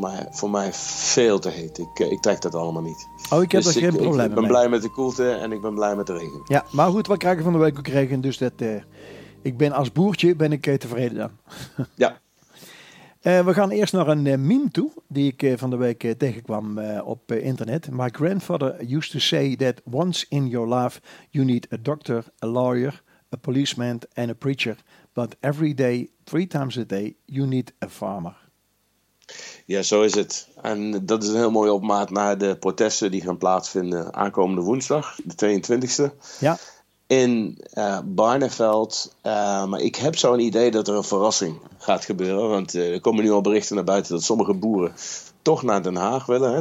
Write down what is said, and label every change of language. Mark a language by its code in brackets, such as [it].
[nl] Maar voor mij veel te heet. Ik trek dat allemaal niet. Oh, ik heb dus er geen probleem mee. Ik ben blij met de koelte en ik ben blij met de regen. Ja, maar goed, wat krijgen van de week ook regen. Dus dat, ik ben als boertje ben ik tevreden dan. Ja. We gaan eerst naar een meme toe, die ik van de week tegenkwam op internet. [en] My grandfather used to say that once in your life you need a doctor, a lawyer, a policeman and a preacher. But every day, three times a day, you need a farmer. [nl] Ja, zo is het. En dat is een heel mooie opmaat naar de protesten die gaan plaatsvinden aankomende woensdag, de 22e. Ja. In Barneveld. Maar ik heb zo'n idee dat er een verrassing gaat gebeuren. Want er komen nu al berichten naar buiten dat sommige boeren toch naar Den Haag willen. Hè?